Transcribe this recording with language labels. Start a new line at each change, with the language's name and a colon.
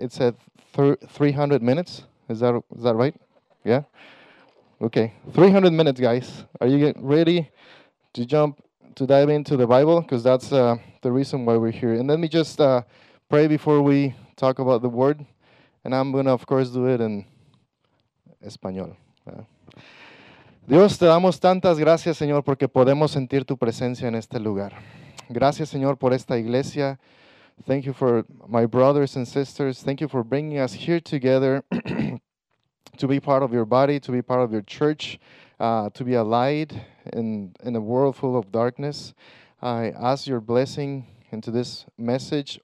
English: It said 300 minutes. Is that right? Yeah? Okay. 300 minutes, guys. Are you getting ready to jump, to dive into the Bible? Because that's the reason why we're here. And let me just pray before we talk about the Word. And I'm going to, of course, do it in Español.
Spanish: Dios, te damos tantas gracias, Señor, porque podemos sentir tu presencia en este lugar. Gracias, Señor, por esta iglesia.
English: Thank you for my brothers and sisters. Thank you for bringing us here together to be part of your body, to be part of your church, to be a light in a world full of darkness. I ask your blessing into this message.